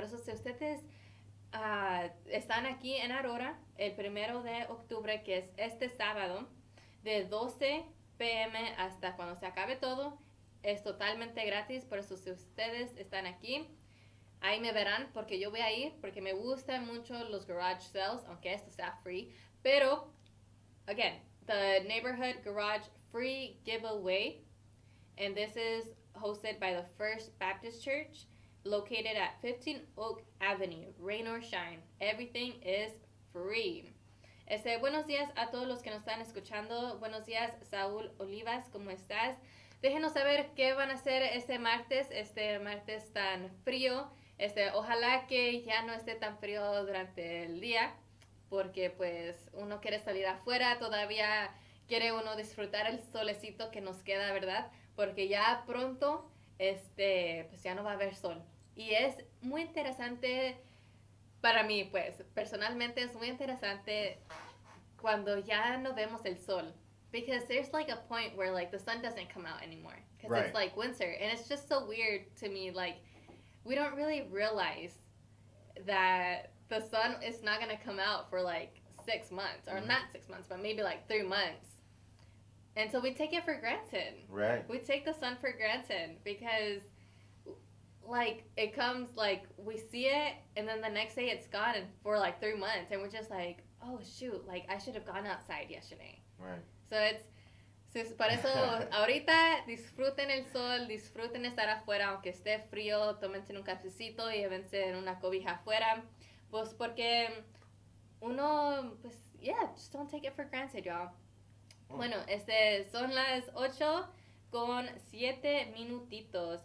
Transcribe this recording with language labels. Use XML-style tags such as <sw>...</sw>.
<es>Por eso si ustedes están aquí en Aurora el 1 de octubre, que es este sábado, de 12 pm hasta cuando se acabe todo, es totalmente gratis. Por eso si ustedes están aquí, ahí me verán, porque yo voy a ir, porque me gustan mucho los garage sales, aunque esto sea free.</es> <en>Pero, again, the Neighborhood Garage Free Giveaway, and this is hosted by the First Baptist Church, located at 15 Oak Avenue, rain or shine. Everything is free.</en> <es>Buenos días a todos los que nos están escuchando. Buenos días, Saúl Olivas, ¿cómo estás? Déjenos saber qué van a hacer este martes tan frío. Ojalá que ya no esté tan frío durante el día, porque pues uno quiere salir afuera, todavía quiere uno disfrutar el solecito que nos queda, ¿verdad? Porque ya pronto, pues ya no va a haber sol. Y es muy interesante para mí, pues personalmente es muy interesante cuando ya no vemos el sol.</es> <en>Because there's like a point where like the sun doesn't come out anymore. Because it's like winter. And it's just so weird to me, like, we don't really realize that the sun is not gonna come out for like 6 months, or not 6 months, but maybe like 3 months. And so we take it for granted. Right. We take the sun for granted because, like, it comes, like, we see it, and then the next day it's gone and for like 3 months. And we're just like, oh shoot, like, I should have gone outside yesterday. So it's,</en> <es>por eso,</es> <en>Right.</en> <es>ahorita disfruten el sol, disfruten estar afuera, aunque esté frío, tómense un cafecito y llévense en una cobija afuera. Pues porque uno, pues,</es> <en>just don't take it for granted, y'all.</en> <es>Bueno, son las 8:07 minutitos.</es>